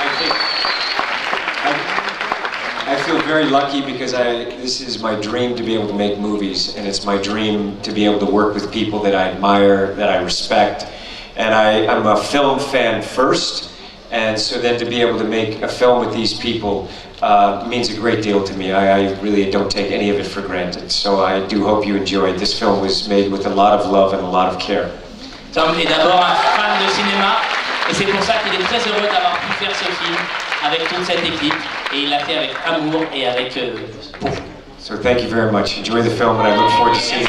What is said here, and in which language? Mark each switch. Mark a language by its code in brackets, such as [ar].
[en] I feel very lucky because this is my dream to be able to make movies, and it's my dream to be able to work with people that I admire, that I respect, and I'm a film fan first, and so then to be able to make a film with these people means a great deal to me. I really don't take any of it for granted, so I do hope you enjoy it. This film was made with a lot of love and a lot of care. [fr] Tom est d'abord un fan de cinéma, et c'est pour ça qu'il est très heureux d'avoir pu faire ce film avec toute cette équipe. Et il l'a fait avec amour et avec [en] So thank you very much. Enjoy the film and I look forward to seeing you.